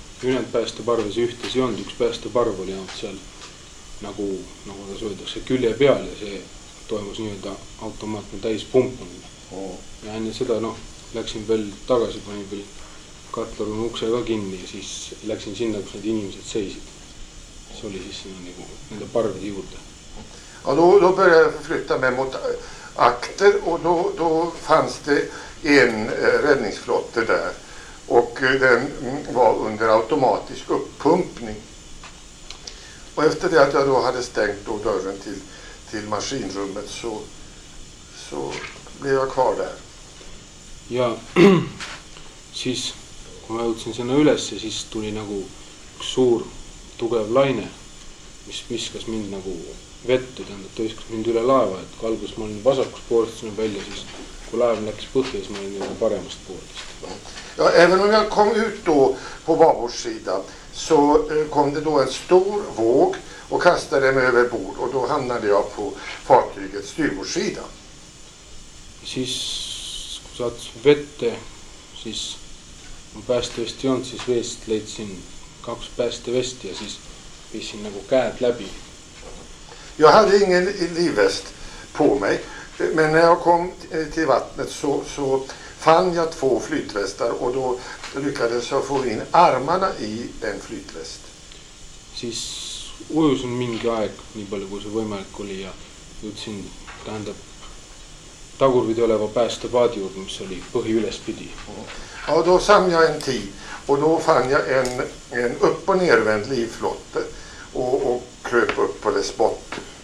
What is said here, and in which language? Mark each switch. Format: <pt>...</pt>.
<et>Ühend päästeparves ühtes ei olnud, üks päästeparv oli olnud seal nagu ta söödakse külje peal ja see toimus nii-öelda automaatne täis pumpunud. Ja enne seda läksin veel tagasi, panin veel katlarun ukse ka kinni ja siis läksin sinna, kus need inimesed seisid. See oli siis nende parvede juurde.</et> <sv>Ja då började jag flytta mig mot akter och då fanns det en räddningsflotte där. Och den var under automatisk upppumpning. Och efter det att jag då hade stängt då dörren till maskinrummet så blev jag kvar där.</sv> <et>Ja, siis kun mä jutsin sinna ylässä, siis tuli nagu suur tugev laine, mis miskas mind nagu vette, tähendab, tõiskas mind üle laeva, et kui algus ma olin vasakus poolest sinna välja, siis kui laev läks põhjas, ma olin nagu paremast poolest.</et> <sv>Ja även om jag kom ut då på babordssida så kom det då en stor våg och kastade mig över bord och då hamnade jag på fartygets styrbordssida.</sv> <et>Siis kui saats vette, siis kui päästevesti on, siis veest leidsin kaks päästevesti ja siis viisin nagu käed läbi.</et> <sv>Jag hade ingen livväst på mig, men när jag kom till vattnet så fann jag två flytvästar och då lyckades jag få in armarna i den flytväst.</sv> <et>Siis ujusin mingi aeg nii palju kui see võimalik oli ja jõudsin tähendab tagurvide oleva päästepaadi juurde, mis oli põhi ülespidi.</et> <sv>Ja då samm jag en tid och då fann jag en upp- och nervänd livflotte och kröp upp på dess botten.</sv>